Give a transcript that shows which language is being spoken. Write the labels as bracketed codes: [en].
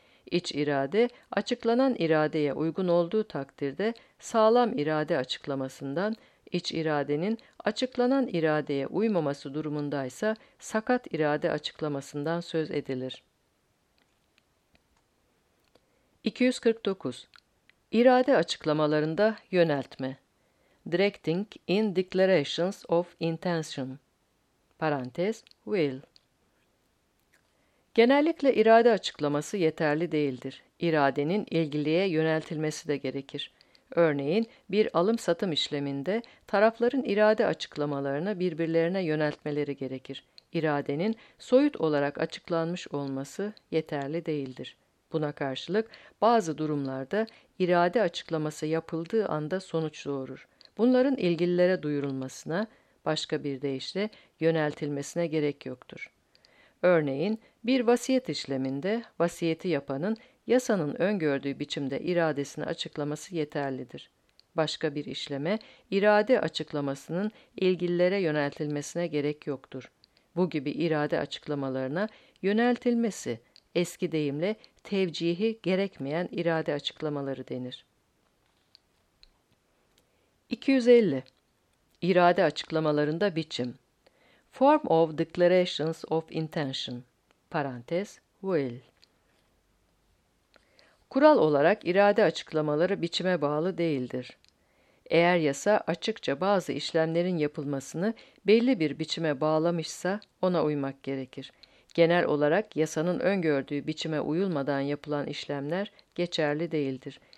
[tr] İç irade, açıklanan iradeye uygun olduğu takdirde sağlam irade açıklamasından, iç iradenin açıklanan iradeye uymaması durumundaysa sakat irade açıklamasından söz edilir. 249. İrade açıklamalarında yöneltme. [en] Directing in declarations of intention. [tr] Parantez, will. Genellikle irade açıklaması yeterli değildir. İradenin ilgiliye yöneltilmesi de gerekir. Örneğin, bir alım-satım işleminde tarafların irade açıklamalarını birbirlerine yöneltmeleri gerekir. İradenin soyut olarak açıklanmış olması yeterli değildir. Buna karşılık, bazı durumlarda irade açıklaması yapıldığı anda sonuç doğurur. Bunların ilgililere duyurulmasına, başka bir deyişle yöneltilmesine gerek yoktur. Örneğin, bir vasiyet işleminde vasiyeti yapanın yasanın öngördüğü biçimde iradesini açıklaması yeterlidir. Başka bir işleme, irade açıklamasının ilgililere yöneltilmesine gerek yoktur. Bu gibi irade açıklamalarına yöneltilmesi, eski deyimle tevcihi gerekmeyen irade açıklamaları denir. 250. İrade açıklamalarında biçim. [en] Form of declarations of intention. [tr] Parantez, will. Kural olarak irade açıklamaları biçime bağlı değildir. Eğer yasa açıkça bazı işlemlerin yapılmasını belli bir biçime bağlamışsa ona uymak gerekir. Genel olarak yasanın öngördüğü biçime uyulmadan yapılan işlemler geçerli değildir.